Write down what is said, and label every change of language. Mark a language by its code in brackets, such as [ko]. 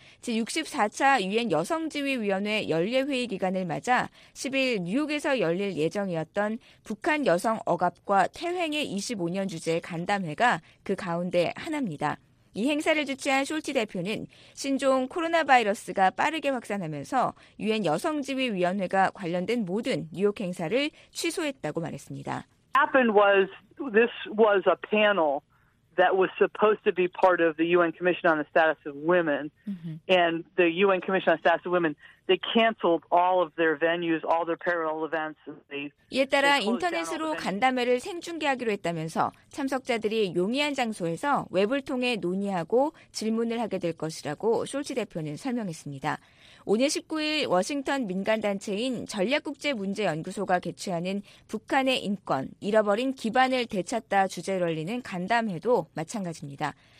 [ko] 제64차 유엔 여성지위위원회 연례회의 기간을 맞아 10일 뉴욕에서 열릴 예정이었던 북한 여성 억압과 퇴행의 25년 주제 간담회가 그 가운데 하나입니다. 이 행사를 주최한 숄티 대표는 신종 코로나 바이러스가 빠르게 확산하면서 유엔 여성지위위원회가 관련된 모든 뉴욕 행사를 취소했다고 말했습니다. [en] Happened was this was a panel that was supposed to be part of the UN Commission on the Status of Women and the UN Commission on the Status of Women they canceled all of their venues all their parallel events and they [ko] 이에 따라 인터넷으로 간담회를 생중계하기로 했다면서 참석자들이 용이한 장소에서 웹을 통해 논의하고 질문을 하게 될 것이라고 숄츠 대표는 설명했습니다. 오늘 19일 워싱턴 민간단체인 전략국제문제연구소가 개최하는 북한의 인권, 잃어버린 기반을 되찾다 주제를 열리는 간담회도 마찬가지입니다.